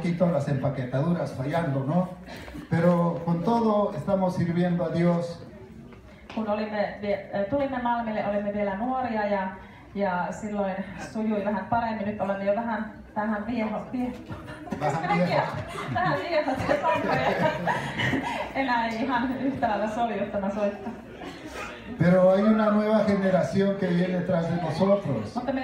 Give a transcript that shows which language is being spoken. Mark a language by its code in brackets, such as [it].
[es] Las empaquetaduras fallando, ¿no? Pero con todo estamos sirviendo a Dios. [fi] Kun tulimme Malmille, olimme vielä nuoria ja silloin sujui vähän paremmin. Nyt olemme jo vähän tähän [es] Pero hay una nueva generación que viene tras de nosotros.